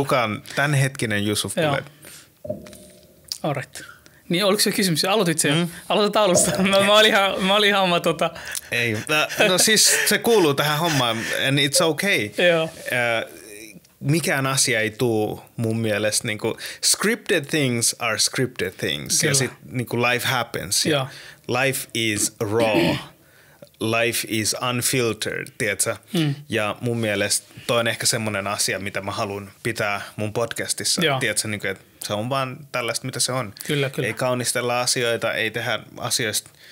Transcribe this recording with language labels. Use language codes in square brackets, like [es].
[fi] Kuka on tämänhetkinen Yusuf Guled? [en] All right. [fi] Niin oliko se kysymys? Aloitit sen? Aloitetaan alusta. Mä olin ihan oma tota. Ei. No siis se kuuluu tähän hommaan. [en] And it's okay. [fi] Joo. Mikään asia ei tuu mun mielestä. Niin kuin, [en] scripted things are scripted things. [fi] Kyllä. Ja sit niin kuin [en] life happens. [fi] Joo. [en] Life is raw. Life is unfiltered, [fi] tiedätkö? Mm. Ja mun mielestä toi on ehkä semmoinen asia, mitä mä haluan pitää mun podcastissa. Joo. Tiedätkö, niin kuin, että se on vaan tällaista, mitä se on. Kyllä, kyllä. Ei kaunistella asioita, ei tehdä asioista.